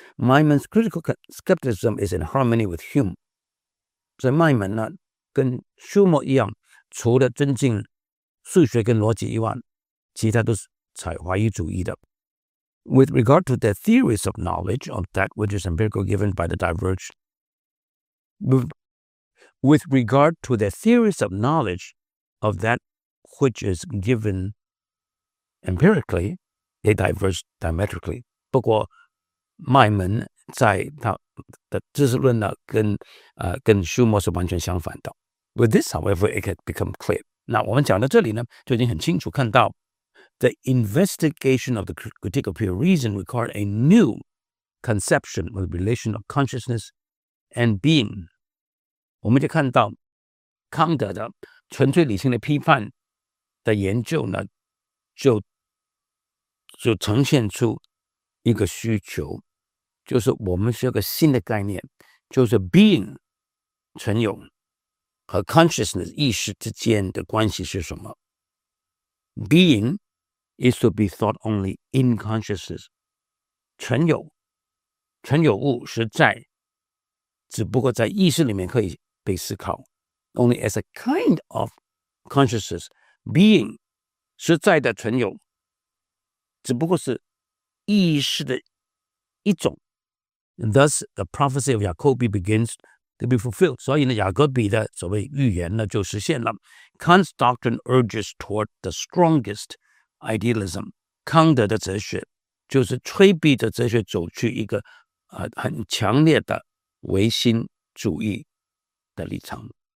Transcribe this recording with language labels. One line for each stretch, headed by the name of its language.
English: Myman's critical skepticism is in harmony with Hume.
Chinese: 所以麦麦呢跟舒默一样，除了尊敬数学跟逻辑以外，其他都是采怀疑主义的。
English: With regard to the theories of knowledge of that which is empirical given by the divergent, with regard to the theories of knowledge of that which is given empirically, they diverge diametrically.
Chinese: 不过麦门在他的知识论呢跟舒默是完全相反的。
English: With this, however, it had become clear.
Chinese: 那我们讲到这里呢就已经很清楚看到
English: The investigation of the critique of pure reason required a new conception of the relation of consciousness and being.
Chinese: 我们就看到康德的纯粹理性的批判的研究呢，就呈现出一个需求，就是我们需要个新的概念，就是 being 存有和 consciousness 意识之间的关系是什么 ？
English: Being is to be thought only in consciousness.
Chinese: 存有物实在只不过在意识里面可以被思考。
English: Only as a kind of consciousness, being
Chinese: 实在的存有只不过是意识的一种。
English: And thus, the prophecy of Jacobi begins to be fulfilled.
Chinese: 所以呢雅各比的所谓预言呢就实现了。
English: Kant's doctrine urges toward the strongest,idealism,
Chinese: 康德的哲学就是催逼着哲学走去一个很强烈的唯心主义的立场。